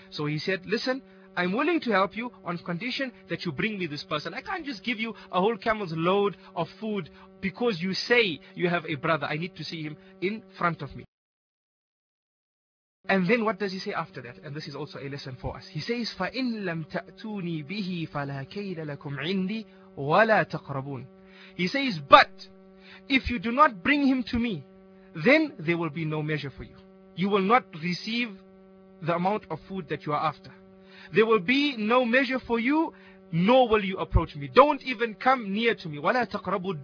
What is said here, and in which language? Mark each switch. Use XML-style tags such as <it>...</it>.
<en>So he said, listen, I'm willing to help you on condition that you bring me this person. I can't just give you a whole camel's load of food because you say you have a brother. I need to see him in front of me. And then what does he say after that? And this is also a lesson for us. He says,</en> <ar>فَإِنْ لَمْ تَأْتُونِي بِهِ فَلَا كَيْلَ لَكُمْ عِنْدِي وَلَا تَقْرَبُونَ.</ar> <en>He says, but if you do not bring him to me, then there will be no measure for you. You will not receive the amount of food that you are after. There will be no measure for you, nor will you approach me. Don't even come near to me.</en> <ar>وَلَا تَقْرَبُوا.</ar>